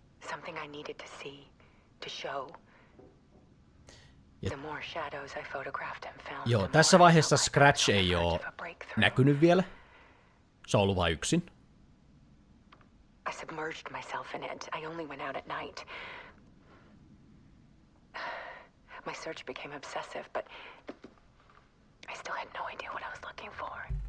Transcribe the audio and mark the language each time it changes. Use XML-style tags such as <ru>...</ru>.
<en>Something I needed to see, to show. The more shadows I photographed and found.</en> <fi>Joo, tässä vaiheessa Scratch ei oo näkynyt vielä. Se on ollut vain yksin.</fi> <en>I submerged myself in it. I only went out at night. My search became obsessive, but I still had no idea what I was looking for.</en>